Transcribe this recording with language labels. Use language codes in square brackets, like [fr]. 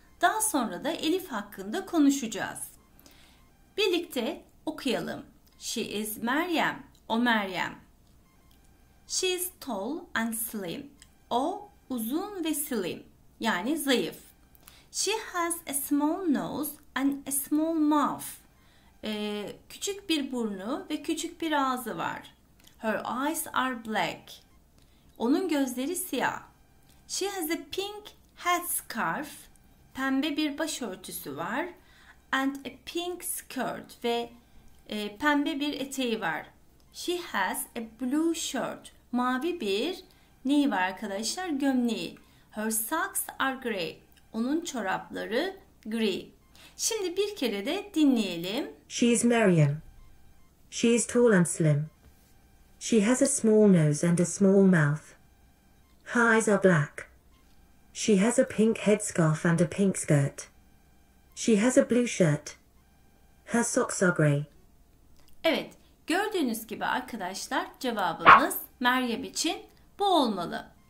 [tr] Daha sonra da Elif hakkında konuşacağız. Birlikte okuyalım. [en] She is Meryem. [tr] O Meryem. [en] She is tall and slim. [tr] O uzun ve slim. Yani zayıf. [en] She has a small nose and a small mouth. [tr] Küçük bir burnu ve küçük bir ağzı var. [en] Her eyes are black. [tr] Onun gözleri siyah. [en] She has a pink headscarf. [tr] Pembe bir başörtüsü var. [en] And a pink skirt. [tr] Ve pembe bir eteği var. [en] She has a blue shirt. [tr] Mavi bir neyi var arkadaşlar? Gömleği. [en] Her socks are gray. [tr] Onun çorapları gri. Şimdi bir kere de dinleyelim. [en] She is Miriam. She is tall and slim. She has a small nose and a small mouth. Her eyes are black. She has a pink headscarf and a pink skirt. She has a blue shirt. Her socks are gray. [tr] Evet, gördüğünüz gibi arkadaşlar cevabımız Meryem için bu olmalı.